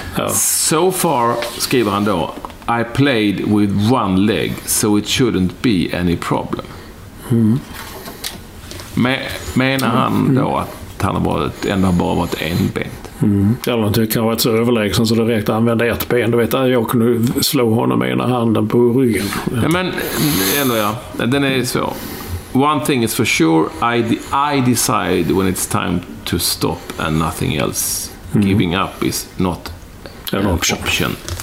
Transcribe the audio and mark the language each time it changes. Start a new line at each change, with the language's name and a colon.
English: So far,
Swedish: skriver han då,
English: I played with one leg, so it shouldn't be any problem.
Swedish: Menar han då att han har varit, ändå har bara varit enbent? Eller han tycker han har varit så överlägsen så det räckte att använda ett ben. Du vet, jag kunde slå honom med ena handen på ryggen. Ja, men ändå, ja. Den är så.
English: One thing is for sure, I decide when it's time to stop and nothing else. Giving up is not an option.